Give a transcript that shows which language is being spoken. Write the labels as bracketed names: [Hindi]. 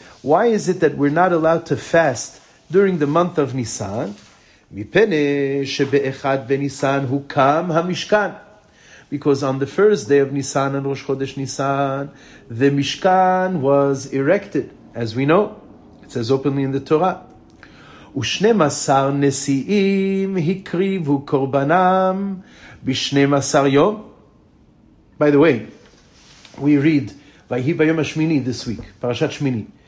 [English] Why is it that we're not allowed to fast during the month of Nisan? [Hebrew] Mipene shebe'echad benisan hukam ha-mishkan. [English] Because on the first day of Nisan and Rosh Chodesh Nisan, the Mishkan was erected, as we know. It says openly in the Torah. [Hebrew] ושנמסר נשיאים הקריבו קורבנם בשנמסר יום. [English] By the way, we read [Hebrew] ויהי ביום השמיני [English] this week, פרשת שמיני.